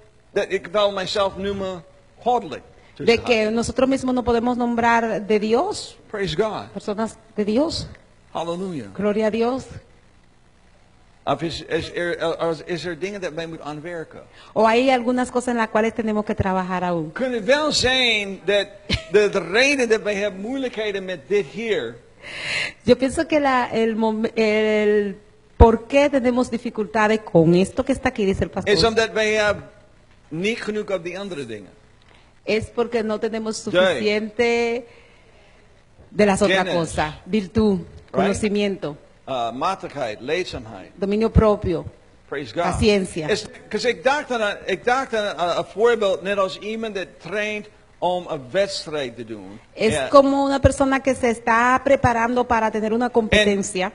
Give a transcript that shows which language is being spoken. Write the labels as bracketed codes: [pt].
[nl] Dat ik wel mijzelf noem goddelijk. [es] De que nosotros mismos no podemos nombrar de Dios. [en] Praise God. [es] Personas de Dios. Hallelujah. Gloria a Dios. [nl] Of is er dingen dat wij moeten aanwerken? [es] O hay algunas cosas en las cuales tenemos que trabajar aún. [nl] Kunnen het wel zijn dat de reden dat wij hebben moeilijkheden met dit hier. [es] Yo pienso que el por qué tenemos dificultades con esto que está aquí, dice el pastor. [nl] Is omdat wij hebben niet genoeg op die andere dingen. [es] Es porque no tenemos suficiente de las otras cosas. Virtud, [en] right? [es] Conocimiento. [nl] Matigheid, leedzaamheid. [es] Dominio propio. [en] Praise God. [es] Paciencia. [nl] Ik dacht aan een voorbeeld net als iemand dat traint om een wedstrijd te doen. [es] Es como una persona que se está preparando para tener una competencia.